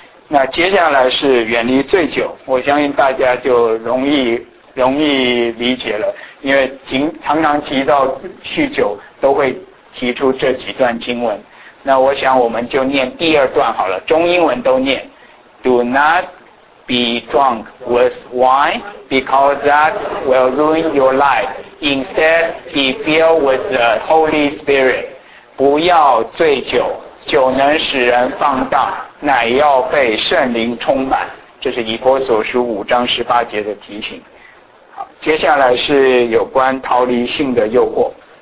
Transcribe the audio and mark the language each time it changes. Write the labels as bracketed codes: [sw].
[zh] 那接下来是远离醉酒，我相信大家就容易容易理解了，因为常常提到酗酒都会提出这几段经文。那我想我们就念第二段好了，中英文都念。 [en] Do not be drunk with wine, because that will ruin your life. Instead, be filled with the Holy Spirit. [zh] 不要醉酒，酒能使人放荡，乃要被圣灵充满。这是以弗所书五章十八节的提醒。好，接下来是有关逃离性的诱惑。